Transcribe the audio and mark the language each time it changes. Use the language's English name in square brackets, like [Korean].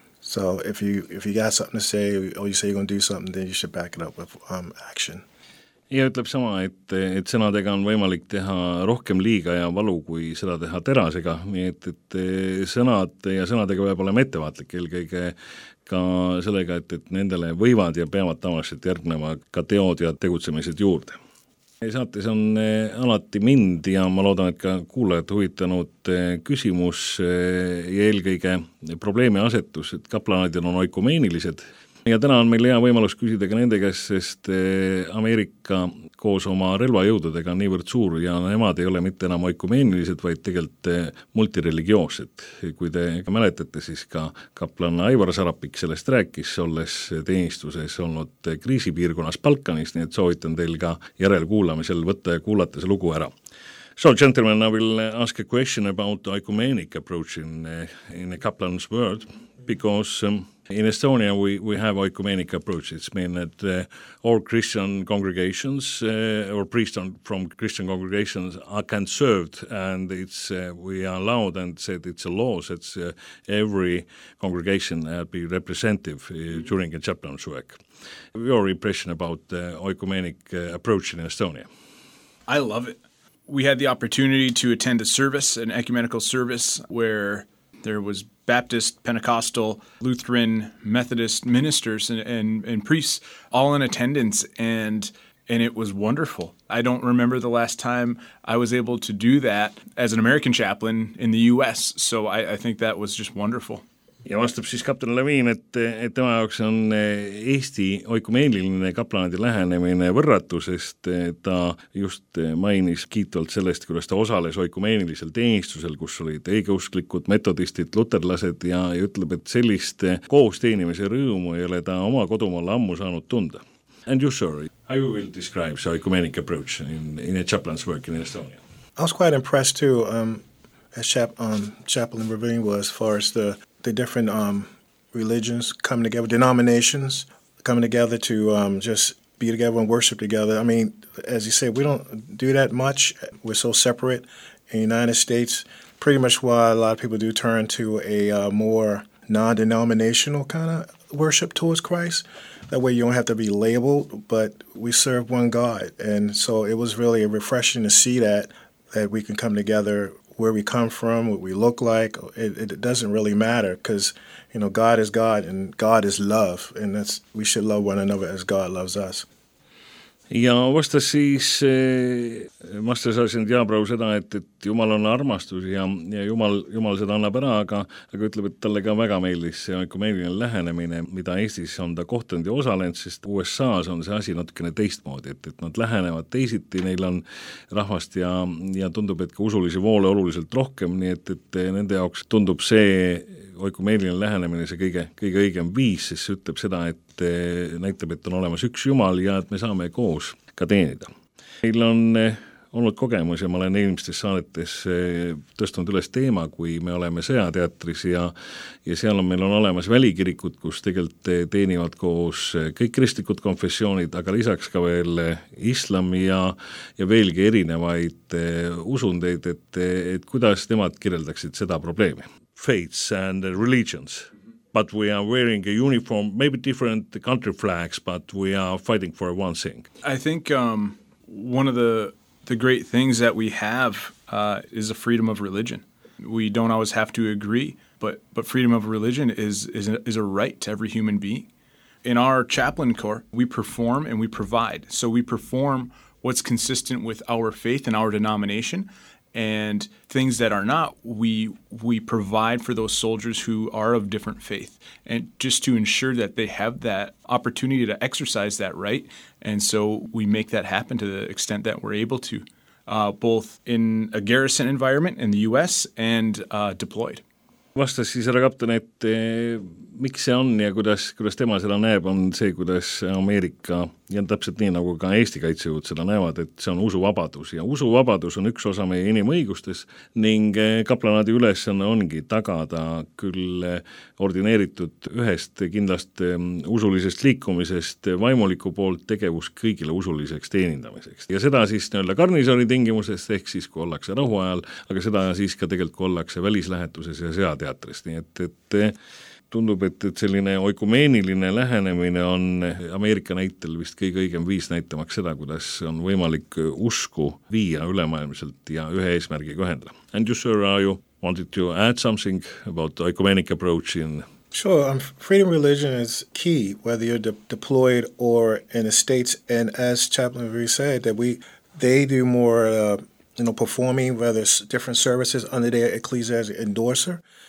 [English] So if you got something to say, or you say you're going to do something, then you should back it up with action. [Estonian] Ja ütleb sama, et sõnadega on võimalik teha rohkem liiga ja valu, kui seda teha terasega. Nii et sõnad ja sõnadega peab olema ettevaatlik eelkõige ka sellega, et nendele võivad ja peavad tavaliselt järgnema ka teod ja tegutsemised juurde. Saates on alati mind ja ma loodan, et ka kuulajad huvitanud küsimus ja eelkõige probleemi asetus, et kaplanaid on oikumeenilised. Ja täna on meil hea võimalus küsida ka nende käest, sest Ameerika koos oma relvajõududega on niivõrd suur ja nemad ei ole mitte enam oikumeenilised, vaid tegelikult multireligioosed. Kui te ka mäletate, siis ka kaplan Aivar Sarapik sellest rääkis, olles teenistuses olnud kriisipiirkonnas Balkanis, nii et soovitan teil ka järelkuulamisel võtta ja kuulata see lugu ära. [English] So, gentlemen, I will ask a question about oikumeenic approach in a kaplan's world, because in Estonia, we have oikumenic approaches, meaning that all Christian congregations or priests from Christian congregations are conserved, and it's we are allowed and said it's a law that every congregation be representative during a chaplain's work. Your impression about the oikumenic approach in Estonia? I love it. We had the opportunity to attend a service, an ecumenical service, where there was Baptist, Pentecostal, Lutheran, Methodist ministers and priests all in attendance, and it was wonderful. I don't remember the last time I was able to do that as an American chaplain in the U.S., so I think that was just wonderful. [Estonian] Ja vastab siis Kapten Levin, et tema jaoks on Eesti oikumeeniline kaplanadi lähenemine võrratu, sest ta just mainis kiitvalt sellest, kuidas ta osales oikumeenilisel teenistusel, kus olid õigeusklikud metodistid, luterlased ja ütleb, et sellist koos teenimise rõõmu ei ole ta oma kodumalla ammu saanud tunda. [English] And you, sir, how you will describe the oikumeenic approach in a chaplain's work in Estonia? I was quite impressed too, chaplain Levin was, as far as the different religions coming together, denominations coming together to just be together and worship together. I mean, as you say, we don't do that much. We're so separate in the United States. Pretty much why a lot of people do turn to a more non-denominational kind of worship towards Christ. That way you don't have to be labeled, but we serve one God. And so it was really refreshing to see that we can come together where we come from, what we look like, it doesn't really matter because, you know, God is God and God is love, and that's, we should love one another as God loves us. [Estonian] Ja vastas siis, vastas asjand Jaabrau seda, et Jumal on armastus ja Jumal seda annab ära, aga ütleb, et talle ka väga meeldis see ökumeeline lähenemine, mida Eestis on ta kohtunud ja osalenud, sest USA's on see asi natukene teistmoodi, et nad lähenevad teisiti, neil on rahvast ja tundub, et ka usulisi voole oluliselt rohkem, nii et nende jaoks tundub see ökumeeline lähenemine see kõige õigem viis, sest see ütleb seda, et näitab, et on olemas üks Jumal ja et me saame koos ka teenida. Meil on olnud kogemus ja ma olen eelmistes saadetes tõstunud üles teema, kui me oleme sõjateatris ja seal on meil on olemas välikirikud, kus tegelikult teenivad koos kõik kristlikud konfessioonid, aga lisaks ka veel islami ja veelgi erinevaid usundeid, et kuidas nemad kirjeldaksid seda probleemi. [English] Faiths and religions. But we are wearing a uniform, maybe different country flags, but we are fighting for one thing. I think one of the great things that we have is a freedom of religion. We don't always have to agree, but freedom of religion is a right to every human being. In our chaplain corps, we perform and we provide. So we perform what's consistent with our faith and our denomination. And things that are not, we provide for those soldiers who are of different faith and just to ensure that they have that opportunity to exercise that right. And so we make that happen to the extent that we're able to, both in a garrison environment in the U.S. and deployed. [Estonian] Vastas siis ära kapten, et miks see on ja kuidas tema seda näeb, on see, kuidas Ameerika ja täpselt nii nagu ka Eesti kaitsejõud seda näevad, et see on usuvabadus. Ja usuvabadus on üks osa meie inimõigustes ning kaplanaadi ülesanne ongi tagada küll ordineeritud ühest kindlast usulisest liikumisest vaimuliku poolt tegevus kõigile usuliseks teenindamiseks. Ja seda siis nii-öelda garnisoni tingimusest, ehk siis kui ollakse rahuajal, aga seda siis ka tegelikult kui ollakse välislähetuses ja sõjateatris. Nii et tundub, et selline oikumeeniline lähenemine on Ameerika näitel vist kõige õigem viis näitamaks seda, kuidas on võimalik usku viia ülemaailmiselt ja ühe eesmärgi kohendada. [English] And you, sir, are you wanted to add something about oikumeenic approach in... Sure, freedom of religion is key, whether you're deployed or in the States. And as Chaplain Vree said, that they do more performing, whether it's different services under their ecclesia as an endorser.